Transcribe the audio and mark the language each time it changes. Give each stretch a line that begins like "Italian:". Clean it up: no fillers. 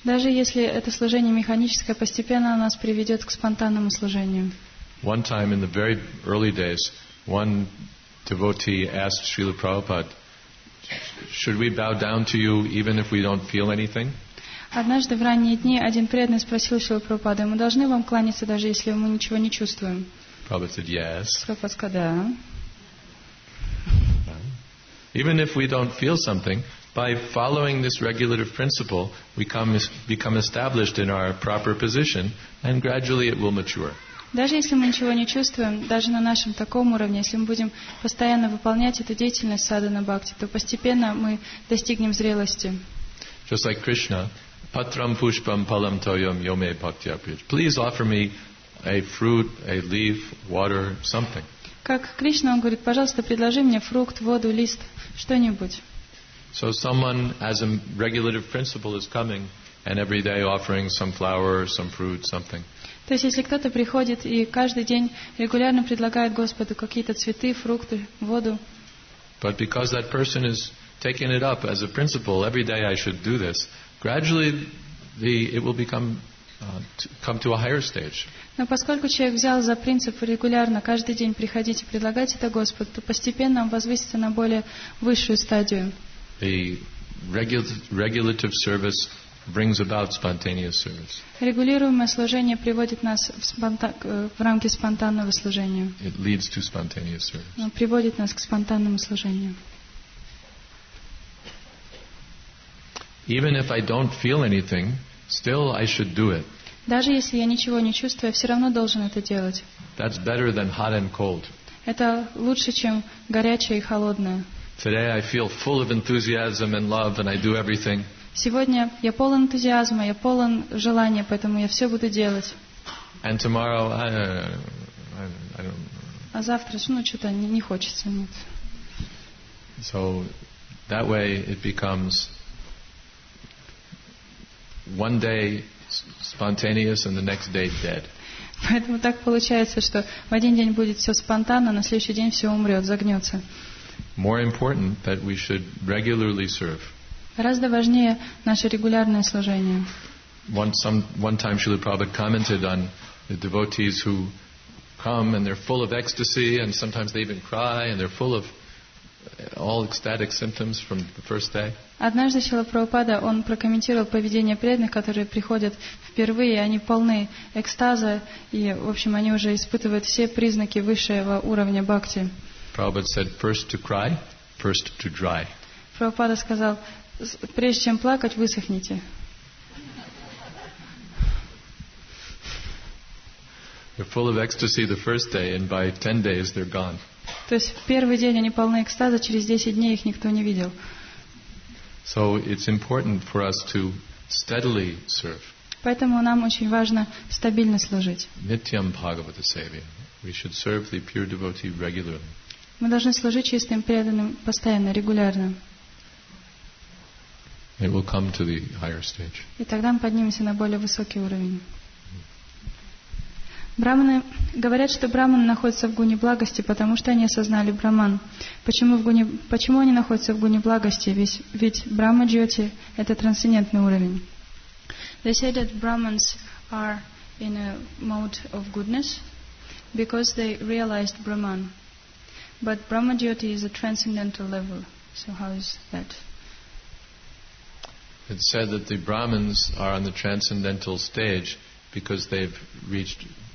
Russian: Даже если это служение механическое, постепенно оно нас приведет к спонтанному служению.
English: One time in the very early days, one devotee asked Srila Prabhupada, "Should we bow down to you even if we don't feel anything?"
Russian: Однажды в ранние дни один преданный спросил Шрилу Прабхупаду: "Мы должны вам кланяться, даже если мы ничего не чувствуем?"
English: Prabhupada said, "Yes."
Russian: Прабхупада сказал: "Да."
English: Even if we don't feel something, by following this regulative principle, we become established in our proper position, and gradually it will mature.
Russian: Даже если мы ничего не чувствуем, даже на нашем таком уровне, если мы будем постоянно выполнять эту деятельность садхана бхакти, то постепенно мы достигнем зрелости.
English: Just like
Sanskrit: Krishna, patram pushpam palam toyam yome bhakti apriyat.
English: Please offer me a fruit, a leaf, water, something.
Russian: Как Кришна, он говорит: пожалуйста, предложи мне фрукт, воду, лист, что-нибудь.
English: So someone as a regulative principle is coming and every day offering some flower, some fruit, something.
Russian: То есть, если кто-то приходит и каждый день регулярно предлагает Господу какие-то цветы, фрукты, воду.
English: But because that person is taking it up as a principle, every day I should do this, gradually it will become come to a higher stage.
Russian: Но поскольку человек взял за принцип регулярно каждый день приходить и предлагать это Господу, то постепенно он возвысится на более высшую стадию.
English: The regulative service brings about spontaneous service.
Russian: Регулируемое служение приводит нас в рамки спонтанного служения.
English: It leads to spontaneous service.
Russian: Он приводит нас к спонтанному служению.
English: Even if I don't feel anything, still I should do it.
Russian: Даже если я ничего не чувствую, я все равно должен это делать.
English: That's better than hot and cold.
Russian: Это лучше, чем горячее и холодное.
English: Today I feel full of enthusiasm and love, and I do everything.
Russian: Сегодня я полон энтузиазма, я полон желания, поэтому я все буду делать.
English: And tomorrow I don't.
Russian: А завтра, что-то не хочется, нет.
English: So that way it becomes one day spontaneous and the next day dead.
Russian: Поэтому так получается, что в один день будет все спонтанно, на следующий день все умрет, загнется.
English: More important that we should regularly serve.
Russian: Гораздо важнее наше регулярное служение.
English: One time Srila Prabhupada commented on the devotees who come and they're full of ecstasy and sometimes they even cry and they're full of all ecstatic symptoms from the first day.
Russian: Однажды Шрила Прабхупада он прокомментировал поведение преданных, которые приходят впервые, они полны экстаза и, в общем, они уже испытывают все признаки высшего уровня бхакти.
English: Prabhupada said, first to cry, first to dry.
Russian: Прабхупада сказал, прежде чем плакать, высохните.
English: They're full of ecstasy the first day, and by 10 days they're gone.
Russian: То есть в первый день они полны экстаза, через 10 дней их никто не видел.
English: So it's important for us to steadily serve.
Russian: Поэтому нам очень важно стабильно служить.
Sanskrit: Nityam Bhagavata Sevya.
English: We should serve the pure devotee regularly.
Russian: Мы должны служить чистым преданным постоянно, регулярно.
English: It will come to the higher stage.
Russian: И тогда мы поднимемся на более высокий уровень. Браманы говорят, что браманы находятся в гуне благости, потому что они осознали браман. Почему они находятся в гуне благости? Ведь брама-джоти — это трансцендентный уровень.
English: They say that Brahmins are in a mode of goodness because they realized Brahman. But Brahma Jyoti is a transcendental level. So how is that? It's said that the Brahmins are on the transcendental stage because they've reached.